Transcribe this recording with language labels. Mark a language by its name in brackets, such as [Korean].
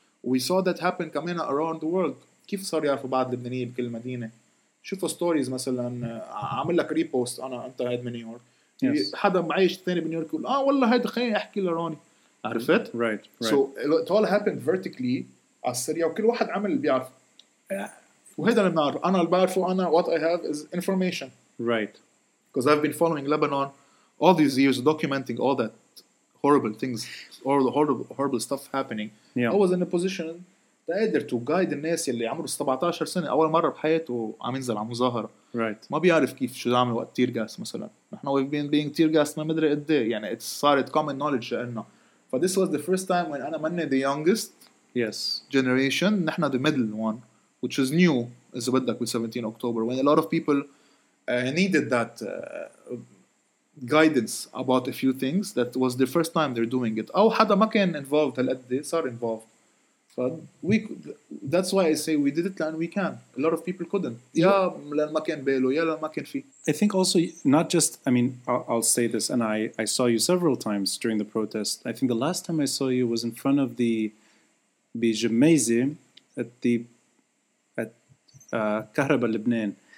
[English] We saw that happen coming around the world. [Arabic] كيف صار يعرفوا بعض اللبنانيين بكل مدينة؟ شوفوا stories مثلاً عامل لك ريبوست أنا أنت هيد من نيويورك. [English] Yes. [Arabic] حدا معيش ثاني من نيويورك يقول والله هيد خليني أحكي لروني. عرفت؟ [English] Right. So it all happened vertically [Arabic] على السريع وكل واحد عمل اللي بيعرف. وهذا اللي بنعرفه أنا اللي بعرفه أنا [English] what I have is information. Right. Because I've been following Lebanon all these years documenting all that horrible things, all the horrible, horrible stuff happening. Yeah. I was in a position [Arabic] تقدر [English] to guide [Arabic] الناس اللي عمره 17 سنة أول مرة بحياته عم ينزل على مظاهرة. [English] Right. [Arabic] ما بيعرف كيف شو دعمل وقت تير جاس مثلا. نحن [English] we've been being tear gas [Arabic] ما مدري قد ايه. يعني [English] it's started common knowledge [Arabic] لنا. [English] But this was the first time when [Arabic] أنا مني [English] the youngest yes. generation. [Arabic] نحن [English] the middle one. Which is new as a [Arabic] بدك [English] with 17 October. When a lot of people needed that guidance about a few things. That was the first time they're doing it. [Arabic] أو حدا ما كان involved هالقد ايه صار involved. [English] But we, that's why I say we did it and we can. A lot of people couldn't. Yeah, [Arabic] لأن ما كان بيلو. [English] Yeah, [Arabic] لأن ما كان في. [English] I think also, not just, I mean, I'll say this, and I saw you several times during the protest. I think the last time I saw you was in front of the Bijemezi at the at Kahraba Lebanon.